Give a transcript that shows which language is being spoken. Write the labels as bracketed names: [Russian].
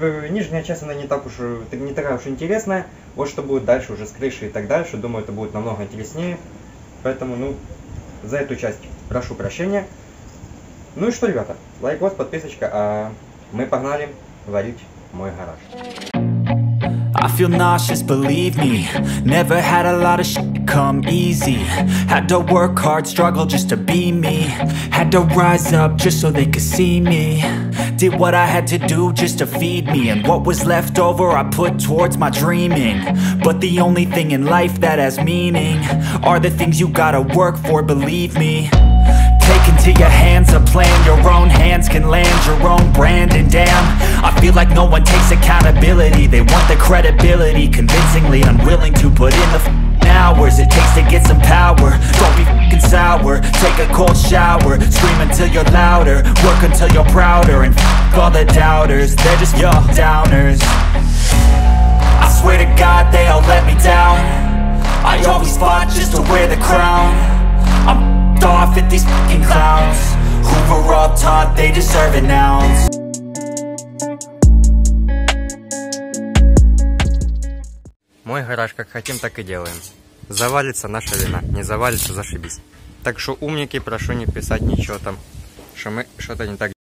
[Russian] Нижняя часть, она не такая уж интересная. Вот что будет дальше уже с крышей и так дальше. Думаю, это будет намного интереснее. Поэтому, ну, за эту часть прошу прощения. Ну и что, ребята, лайк, вот, подписочка, а мы погнали варить мой гараж. [English] I feel nauseous, believe me. Never had a lot of shit come easy. Had to work hard, struggle just to be me. Had to rise up just so they could see me. Did what I had to do just to feed me. And what was left over I put towards my dreaming. But the only thing in life that has meaning are the things you gotta work for, believe me. Into your hands a plan, your own hands can land your own brand. And damn, I feel like no one takes accountability. They want the credibility, convincingly unwilling to put in the hours it takes to get some power. Don't be f***ing sour, take a cold shower. Scream until you're louder, work until you're prouder. And f*** all the doubters, they're just your downers. I swear to God they all let me down. I always fought just to wear the crown. I'm off at these f***ing clowns. Hoover up taught they deserve an ounce. [Russian] Мой гараж как хотим, так и делаем. Завалится — наша вина. Не завалится — зашибись. Так что, умники, прошу не писать ничего там, что мы что-то не так.